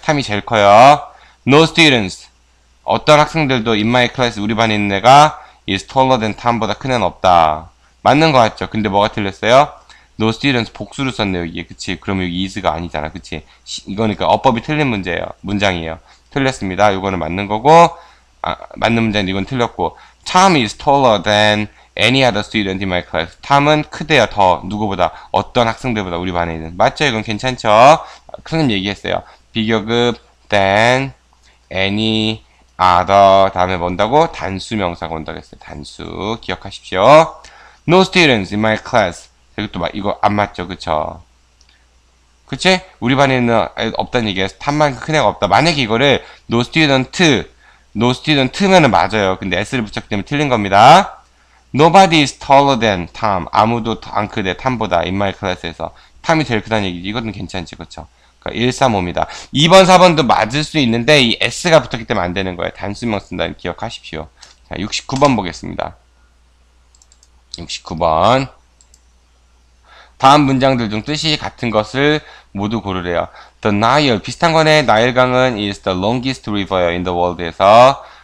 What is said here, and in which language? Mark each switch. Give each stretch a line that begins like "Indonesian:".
Korean: Tom이 제일 커요.
English: No students.
Korean: 어떤 학생들도
English: in my class
Korean: 우리 반에 있는 애가
English: is taller than
Korean: Tom보다 큰 애는 없다. 맞는 거 같죠? 근데 뭐가 틀렸어요?
English: No students
Korean: 복수로 썼네요. 이게 그치? 그러면 여기 is가 아니잖아, 그치? 이거니까 어법이 틀린 문제예요. 문장이에요. 틀렸습니다. 이거는 맞는 거고. 아, 맞는 문장인데 이건 틀렸고.
English: Tom is taller than any other student in my class.
Korean: Tom은 크대요, 더. 누구보다. 어떤 학생들보다 우리 반에 있는. 맞죠? 이건 괜찮죠? 선생님 얘기했어요. 비교급
English: than any
Korean: other 다음에 본다고 단수 명사 본다고 했어요. 단수 기억하십시오.
English: No students in my class.
Korean: 이것도 막 이거 안 맞죠, 그쵸? 그치? 우리 반에는 없다는 얘기예요. 탐만 큰 애가 없다. 만약에 이거를
English: no student
Korean: 면은 맞아요. 근데 s를 붙였기 때문에 틀린 겁니다.
English: Nobody is taller than Tom.
Korean: 아무도 안 크대 탐보다
English: in my class에서.
Korean: 탐이 제일 크다는 얘기지. 이거는 괜찮지, 그쵸? 그러니까 1, 3, 5입니다. 2번, 4번도 맞을 수 있는데 이 s가 붙었기 때문에 안 되는 거예요. 단수명 쓴다는 기억하십시오. 자, 69번 보겠습니다. 69번. 다음 문장들 중 뜻이 같은 것을 모두 고르래요. The Nile, 비슷한 거네.
English: 나일강은 is the longest river in the world에서.